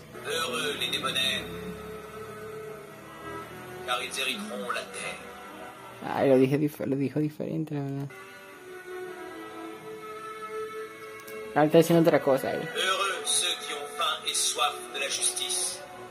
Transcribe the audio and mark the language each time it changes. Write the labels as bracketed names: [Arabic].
[French] Heureux les débonnaires, car ils hériteront la terre. [Spanish] Ay, lo dije diferente, la verdad. Ahora está diciendo otra cosa, a ver. [French] Heureux ceux qui ont faim et soif de la justice.